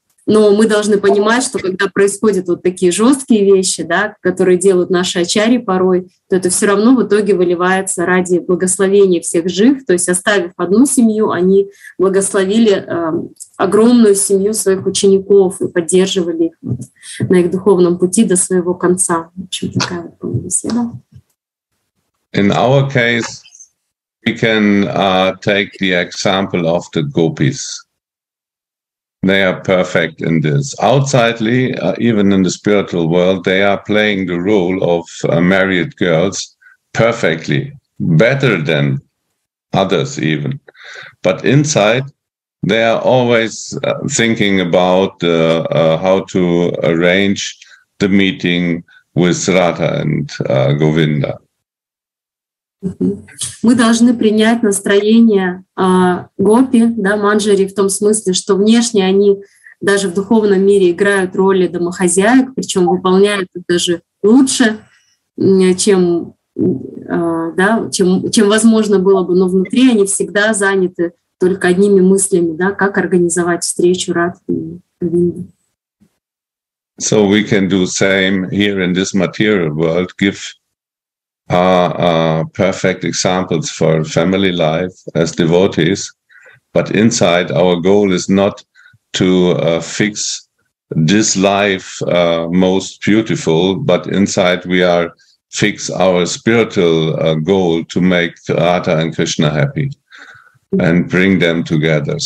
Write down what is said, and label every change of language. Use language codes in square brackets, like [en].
[ru] Но мы должны понимать, что когда происходят вот такие жесткие вещи, да, которые делают наши ачарьи порой, то это все равно в итоге выливается ради благословения всех жив. То есть оставив одну семью, они благословили огромную семью своих учеников и поддерживали их вот на их духовном пути до своего конца. В общем, такая вот была беседа. [en] In our case, we can take the example of the gopis. They are perfect in this. Outsidely, even in the spiritual world, they are playing the role of married girls perfectly, better than others even. But inside, they are always thinking about how to arrange the meeting with Radha and Govinda. [ru] Мы должны принять настроение гопи, да, манджари, в том смысле, что внешне они даже в духовном мире играют роли домохозяек, причем выполняют это даже лучше, чем, да, чем возможно было бы. Но внутри они всегда заняты только одними мыслями, да, как организовать встречу Радхи. [en] So we can do the same here in this material world, give perfect examples for family life as devotees, but inside our goal is not to fix this life most beautiful, but inside we are fix our spiritual goal to make Radha and Krishna happy and bring them together.